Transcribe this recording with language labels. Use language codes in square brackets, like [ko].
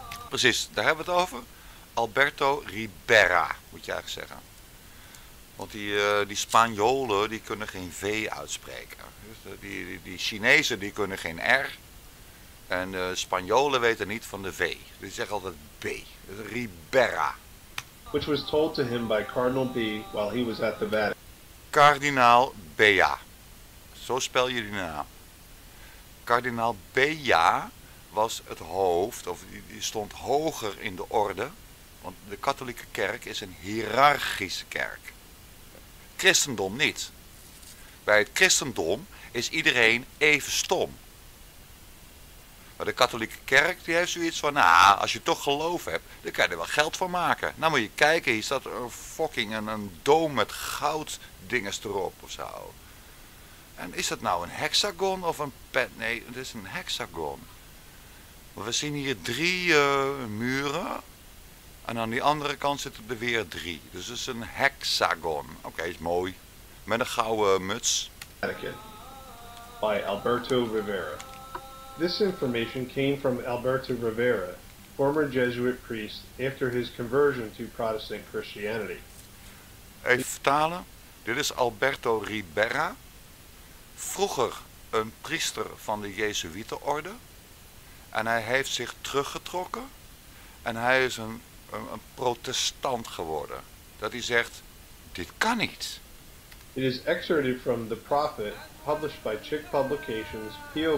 [nl] Precies, daar hebben we het over. Alberto Ribera, moet je eigenlijk zeggen. Want die Spanjolen, die kunnen geen V uitspreken. Die Chinezen, die kunnen geen R. En de Spanjolen weten niet van de V. Die zeggen altijd B. Ribera. [en] Which was told to him by Cardinal B while he was at the Vatican. [nl] Kardinaal Bea. Zo spel je die naam. Kardinaal Bea was het hoofd, of die stond hoger in de orde. Want de katholieke kerk is een hiërarchische kerk. Christendom niet. Bij het christendom is iedereen even stom. Maar de katholieke kerk die heeft zoiets van, nou, als je toch geloof hebt, dan kan je er wel geld van maken. Nou moet je kijken, hier staat een fucking een doom met goud dinges erop ofzo. En is dat nou een hexagon of een pet? Nee, het is een hexagon. We zien hier 3 muren. En aan die andere kant zitten er weer 3. Dus het is een hexagon. Oké, is mooi. Met een gouden muts. [en] by Alberto Rivera. This information came from Alberto Rivera, former Jesuit priest, after his conversion to Protestant Christianity. [nl] Even vertalen, dit is Alberto Rivera, vroeger een priester van de Jezuïetenorde. En hij heeft zich teruggetrokken en hij is een protestant geworden. Dat hij zegt, dit kan niet. [en] It is excerpted from The Prophet, published by Chick Publications, P.O.